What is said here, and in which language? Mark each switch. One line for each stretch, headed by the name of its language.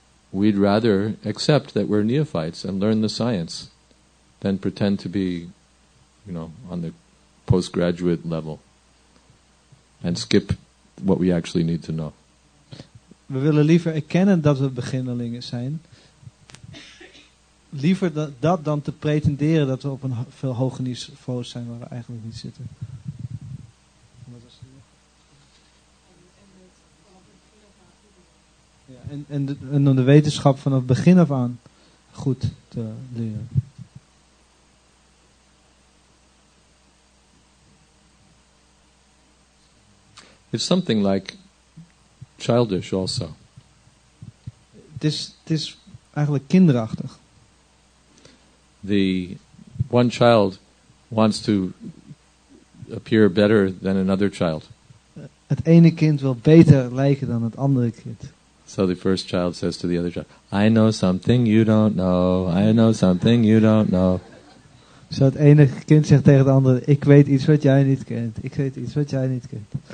English: We'd rather accept that we're neophytes and learn the science than pretend to be, you know, on the postgraduate level and skip what we actually need to know.
Dutch: We willen liever erkennen dat we beginnelingen zijn. Liever dat dan te pretenderen dat we op een veel hoger niveau zijn waar we eigenlijk niet zitten. En om de wetenschap vanaf begin af aan goed te leren.
English: It's something like childish also.
Dutch: Het is eigenlijk kinderachtig.
English: The one child wants to appear better than another child.
Dutch: Het ene kind wil beter lijken dan het andere kind.
English: So the first child says to the other child, I know something you don't know, I know something you don't know.
Dutch: Zo het ene kind zegt tegen het andere, ik weet iets wat jij niet kent, ik weet iets wat jij niet kent.